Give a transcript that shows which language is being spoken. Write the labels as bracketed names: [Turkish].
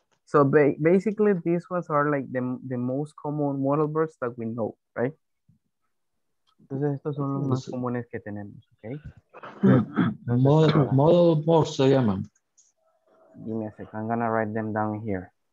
[English] So basically, these ones are like the most common modal verbs that we know, right? [Spanish] Entonces, estos son los más comunes que tenemos, okay? Modal verbs se llaman. [English] Give me a second. I'm gonna write them down here.